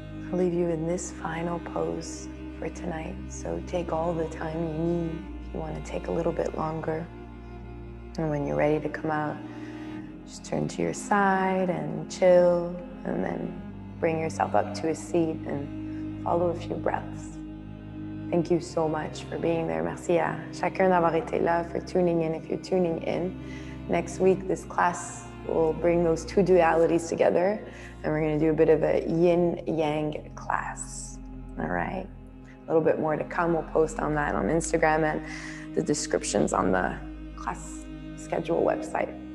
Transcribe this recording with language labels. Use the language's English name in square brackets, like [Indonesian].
[English] I'll leave you in this final pose for tonight. So take all the time you need. If you want to take a little bit longer. And when you're ready to come out, just turn to your side and chill. And then bring yourself up to a seat and follow a few breaths. Thank you so much for being there. [French] Merci à chacun d'avoir été là, [English] for tuning in, if you're tuning in. Next week, this class will bring those two dualities together, and we're gonna do a bit of a yin-yang class, all right? A little bit more to come. We'll post on that on Instagram and the descriptions on the class schedule website.